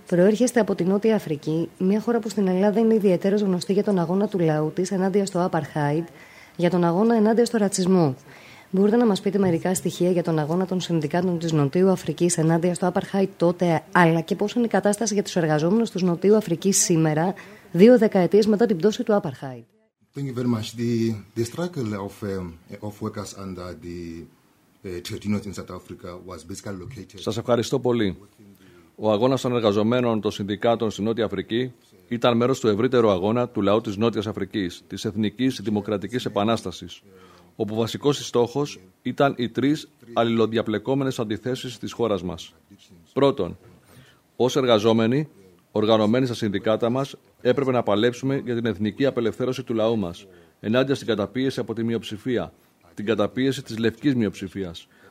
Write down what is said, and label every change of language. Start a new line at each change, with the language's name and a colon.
Greek: Προέρχεστε από τη Νότια Αφρική, μια χώρα που στην Ελλάδα είναι ιδιαίτερως γνωστή για τον αγώνα του λαού της ενάντια στο apartheid, για τον αγώνα ενάντια στο ρατσισμό. Μπορείτε να μας πείτε μερικά στοιχεία για τον αγώνα των συνδικάτων της Νοτίου Αφρικής ενάντια στο apartheid τότε, αλλά και πώς είναι η κατάσταση για τους εργαζόμενους της Νοτίου Αφρικής σήμερα, δύο δεκαετίες μετά την πτώση του apartheid.
English: Thank you very much. The struggle of workers under the Tutsis in South Africa was basically located.
Greek: Σας ευχαριστώ πολύ. Ο αγώνας των εργαζομένων των συνδικάτων στη Νότια Αφρική ήταν μέρος του ευρύτερου αγώνα του λαού της Νότιας Αφρικής, της Εθνικής Δημοκρατικής Επανάστασης, όπου βασικός στόχος ήταν οι τρεις αλληλοδιαπλεκόμενες αντιθέσεις της χώρας μας. Πρώτον, ως εργαζόμενοι, οργανωμένοι στα συνδικάτα μας, έπρεπε να παλέψουμε για την εθνική απελευθέρωση του λαού μας, ενάντια στην καταπίεση από τη μειοψηφία, την καταπίεση της λευκής μειοψηφίας.